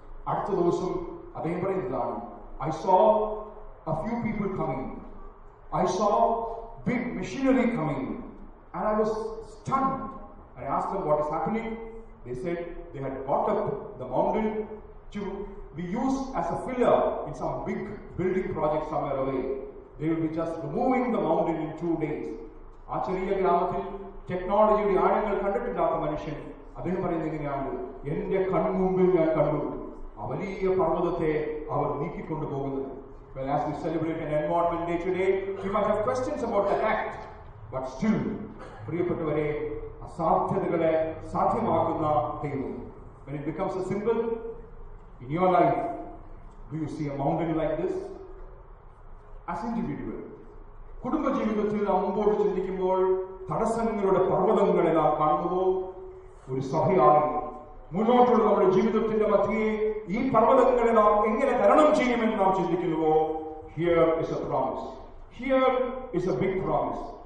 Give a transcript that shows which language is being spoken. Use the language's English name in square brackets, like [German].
[Malayalam] അടുത്ത ദിവസം അദ്ദേഹം പറയുന്നതാണ്, [English] I saw a few people coming. I saw big machinery coming and I was stunned. I asked them, what is happening? They said they had brought up the mountain to be used as a filler in some big building project somewhere away. They will be just removing the mountain in 2 days. [Malayalam] ആ ചെറിയ ഗ്രാമത്തിൽ ടെക്നോളജിയുടെ ആഴങ്ങൾ കണ്ടിട്ടില്ലാത്ത മനുഷ്യൻ അദ്ദേഹം പറയുന്നത് എങ്ങനെയാണ്, എന്റെ കൺമുമ്പിൽ ഞാൻ കണ്ടു ആ വലിയ പർവ്വതത്തെ അവർ നീക്കിക്കൊണ്ടു പോകുന്നത്. [English] Well, as we celebrate an environment day today, you might have questions about that act. But still, [Malayalam] പ്രിയപ്പെട്ടവരെ, അസാധ്യതകളെ സാധ്യമാക്കുന്ന ദൈവം. [English] When it becomes a symbol in your life, do you see a mountain like this? As individual, [Malayalam] കുടുംബ ജീവിതത്തിൽ അമ്പോട്ട് ചിന്തിക്കുമ്പോൾ തടസ്സങ്ങളുടെ പർവ്വതങ്ങളെല്ലാം കാണുമ്പോൾ ഒരു സഭയായി മുന്നോട്ടുള്ള നമ്മുടെ ജീവിതത്തിന്റെ മധ്യേ ഈ പർവ്വതങ്ങളെ നാം എങ്ങനെ തരണം ചെയ്യുമെന്ന് നാം ചിന്തിക്കുന്നുവോ, [English] Here is a big promise.